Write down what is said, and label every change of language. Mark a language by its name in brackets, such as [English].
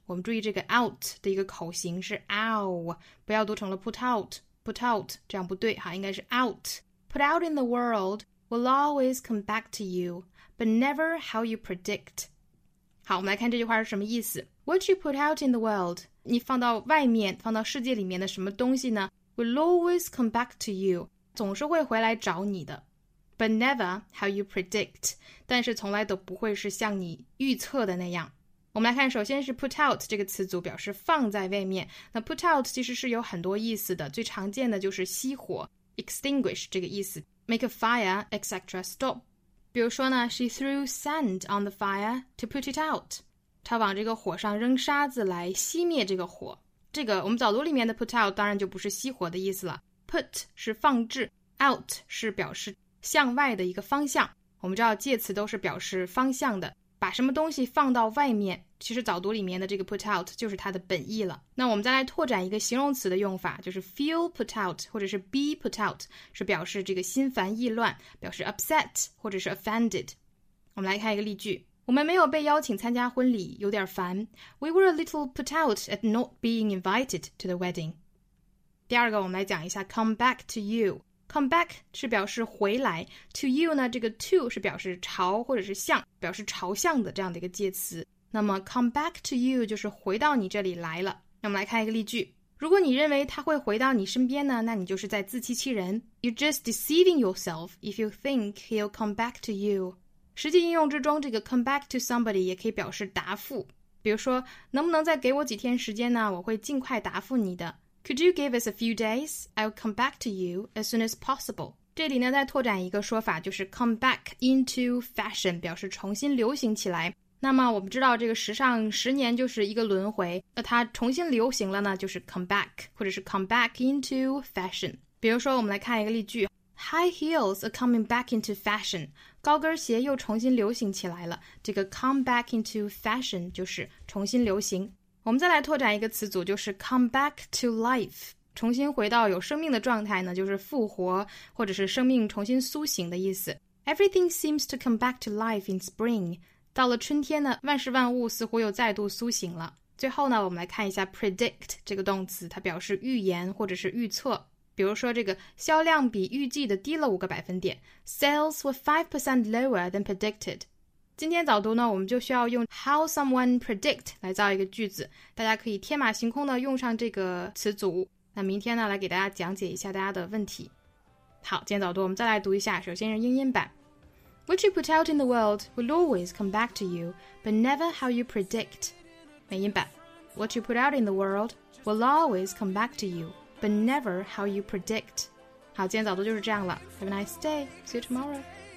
[Chinese] 我们注意这个 out 的一个口型是 ow, 不要读成了 put out, 这样不对哈，应该是 out。 [English] Put out in the world will always come back to you, but never how you predict. [Chinese] 好，我们来看这句话是什么意思。 [English] What you put out in the world, [Chinese] 你放到外面放到世界里面的什么东西呢 [English] will always come back to you, [Chinese] 总是会回来找你的。 [English] But never how you predict, [Chinese] 但是从来都不会是像你预测的那样。我们来看，首先是 put out 这个词组，表示放在外面。那 put out 其实是有很多意思的，最常见的就是熄火 extinguish 这个意思， [English] make a fire etc. stop [Chinese] 比如说呢 [English] ,she threw sand on the fire to put it out. [Chinese] 她往这个火上扔沙子来熄灭这个火。这个我们早读里面的 put out 当然就不是熄火的意思了。 put 是放置 ,out 是表示向外的一个方向。我们知道介词都是表示方向的。把什么东西放到外面，其实早读里面的这个 put out 就是它的本意了。那我们再来拓展一个形容词的用法，就是 feel put out 或者是 be put out， 是表示这个心烦意乱，表示 upset 或者是 offended。我们来看一个例句，我们没有被邀请参加婚礼，有点烦。 [English] We were a little put out at not being invited to the wedding。 [Chinese] 第二个我们来讲一下 come back to you。come back 是表示回来， to you 呢，这个 to 是表示朝或者是向，表示朝向的这样的一个介词，那么 come back to you 就是回到你这里来了。那我们来看一个例句，如果你认为他会回到你身边呢，那你就是在自欺欺人。 [English] You're just deceiving yourself if you think he'll come back to you。 [Chinese] 实际应用之中，这个 come back to somebody 也可以表示答复，比如说能不能再给我几天时间呢，我会尽快答复你的。 [English] Could you give us a few days? I'll come back to you as soon as possible。 [Chinese] 这里呢再拓展一个说法，就是 come back into fashion， 表示重新流行起来。那么我们知道这个时尚十年就是一个轮回，那它重新流行了呢，就是 come back 或者是 come back into fashion。比如说我们来看一个例句， [English] High heels are coming back into fashion， [Chinese] 高跟鞋又重新流行起来了。这个 come back into fashion 就是重新流行。我们再来拓展一个词组，就是 come back to life， 重新回到有生命的状态呢，就是复活或者是生命重新苏醒的意思。 [English] Everything seems to come back to life in spring， [Chinese] 到了春天呢，万事万物似乎又再度苏醒了。最后呢，我们来看一下 predict 这个动词，它表示预言或者是预测。比如说这个销量比预计的低了5%， [English] Sales were 5% lower than predicted。 [Chinese] 今天早读呢，我们就需要用 how someone predict 来造一个句子，大家可以天马行空的用上这个词组。那明天呢，来给大家讲解一下大家的问题。好，今天早读我们再来读一下，首先是英音版。 [English] What you put out in the world will always come back to you, but never how you predict. [Chinese] 美音版 [English] What you put out in the world will always come back to you, but never how you predict. [Chinese] 好，今天早读就是这样了。 [English] Have a nice day. See you tomorrow.